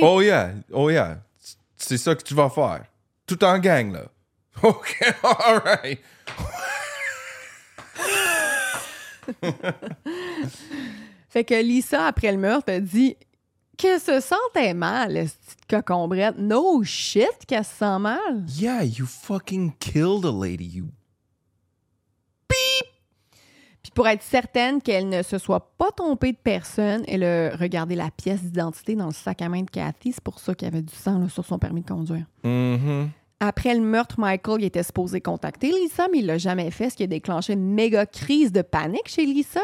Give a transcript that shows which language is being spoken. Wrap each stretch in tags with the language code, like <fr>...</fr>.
<en>Oh yeah, oh yeah.</en> <fr>C'est ça que tu vas faire. Tout en gang, là.</fr> <en>OK, all right.</en> <fr>Fait que Lisa, après le meurtre, a dit. Qu'elle se sentait mal, cette cocombrette.</fr> <en>No shit,</en> <fr>qu'elle se sent mal.</fr> <en>Yeah, you fucking killed a lady, you... Beep!</en> <fr>Puis pour être certaine qu'elle ne se soit pas trompée de personne, elle a regardé la pièce d'identité dans le sac à main de Cathy. C'est pour ça qu'il y avait du sang là, sur son permis de conduire. Mm-hmm. Après le meurtre, Michael il était supposé contacter Lisa, mais il l'a jamais fait, ce qui a déclenché une méga crise de panique chez Lisa.</fr>